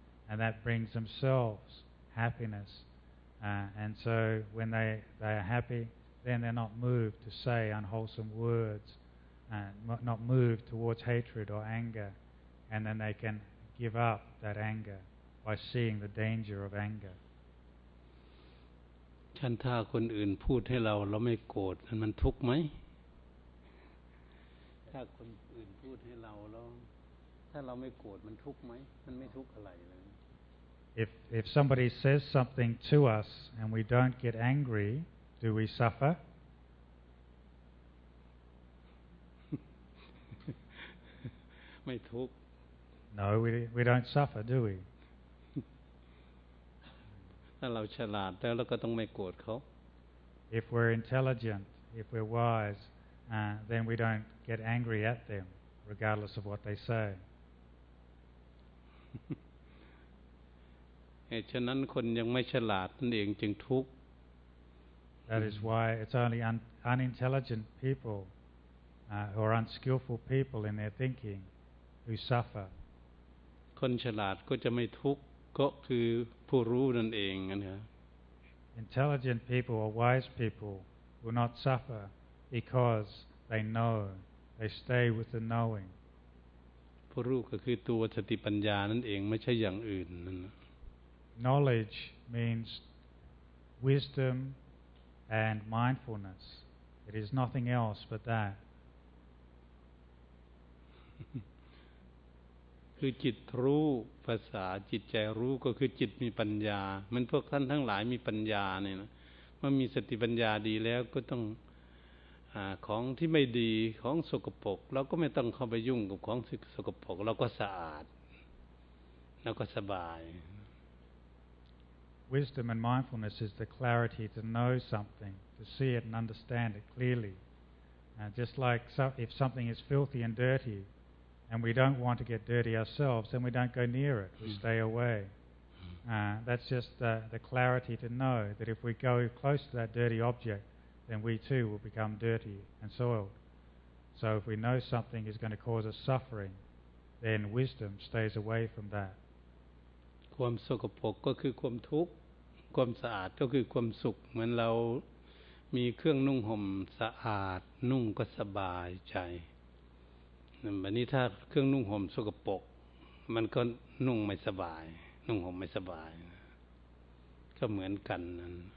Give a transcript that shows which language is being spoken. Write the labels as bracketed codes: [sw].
[en] And that brings themselves happiness. And so when they are happy, then they're not moved to say unwholesome words, not moved towards hatred or anger, and then they can give up that anger by seeing the danger of anger. [th] ฉันถ้าคนอื่นพูดให้เราไม่โกรธมันทุกข์ไหมถ้าคนอื่นพูดให้เราถ้าเราไม่โกรธมันทุกข์ไหมมันไม่ทุกข์อะไรเลย [en] If somebody says something to us and we don't get angry, do we suffer? [th] ไม่ทุกข์ [en] No, we don't suffer, do we? [th] ถ้าเราฉลาดแล้วก็ต้องไม่โกรธเขา [en] If we're intelligent, if we're wise, then we don't get angry at them, regardless of what they say. [th] เหตุฉะนั้นคนยังไม่ฉลาดนั่นเองจึงทุกข์ [en] That is why it's only unintelligent people who are unskillful people in their thinking who suffer [th] คนฉลาดก็จะไม่ทุกข์ก็คือผู้รู้นั่นเองนะ [en] Intelligent people or wise people will not suffer because they know they stay with the knowing [th] ผู้รู้ก็คือตัวสติปัญญานั่นเองไม่ใช่อย่างอื่นนั่น [en] Knowledge means wisdom and mindfulness. It is nothing else but that. [th] คือจิตรู้ภาษาจิตใจรู้ก็คือจิตมีปัญญามันพวกท่านทั้งหลายมีปัญญาเนี่ยนะเมื่อมีสติปัญญาดีแล้วก็ต้องของที่ไม่ดีของสกปรกเราก็ไม่ต้องเข้าไปยุ่งกับของสกปรกเราก็สะอาดแล้วก็สบาย [en] Wisdom and mindfulness is the clarity to know something, to see it and understand it clearly. Just like if something is filthy and dirty, and we don't want to get dirty ourselves, then we don't go near it, we stay away. That's just the clarity to know that if we go close to that dirty object, then we too will become dirty and soiled. So if we know something is going to cause us suffering, then wisdom stays away from that. [th] ความสกปรกก็คือความทุกข์ความสะอาดก็คือความสุขเหมือนเรามีเครื่องนุ่งห่มสะอาดนุ่งก็สบายใจแบบนี้ถ้าเครื่องนุ่งห่มสกปรกมันก็นุ่งไม่สบายนุ่งห่มไม่สบายก็เหมือนกันนั้น